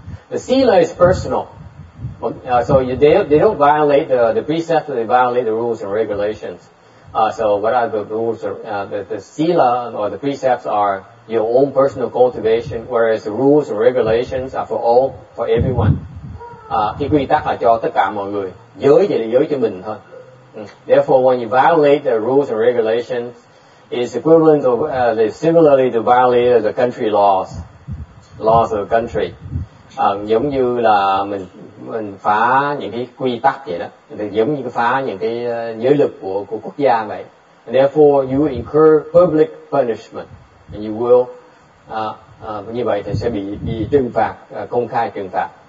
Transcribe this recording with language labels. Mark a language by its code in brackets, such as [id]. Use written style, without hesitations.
[en] The sila is personal, so they don't violate the precepts. They violate the rules and regulations. So what are the rules? The sila or the precepts are your own personal cultivation, whereas the rules and regulations are for everyone. [vi] Cái quy tắc là cho tất cả mọi người. Giới thì là giới cho mình thôi. [en] Therefore, when you violate the rules and regulations, is equivalent of similarly to violate the country laws of the country. [vi] Giống như là mình phá những cái quy tắc vậy đó, giống như phá những cái giới luật của quốc gia vậy. [en] And therefore, you incur public punishment, and you will [vi] như vậy thì sẽ bị trừng phạt, công khai trừng phạt.